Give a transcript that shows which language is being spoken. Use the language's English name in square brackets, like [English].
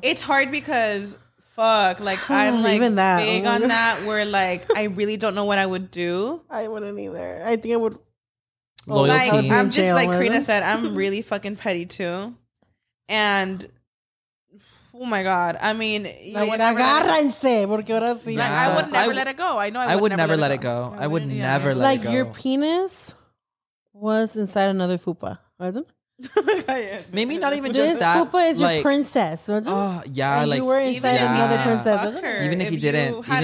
[English] it's hard because fuck, like I'm like even that. Big on that where like I really don't know what I would do. I wouldn't either. I think I would like I'm just like Karina said, I'm really fucking petty too, and oh my god, I mean you like, [Spanish] agárrense, porque ahora sí. [English] Like, I would never let it go. I know I would never let it go. I would never let it go. Like your penis was inside another fupa, right? Maybe not even just this that. This fupa is like, your princess. Oh, yeah. And like, you were inside another princess. Even if you didn't. Had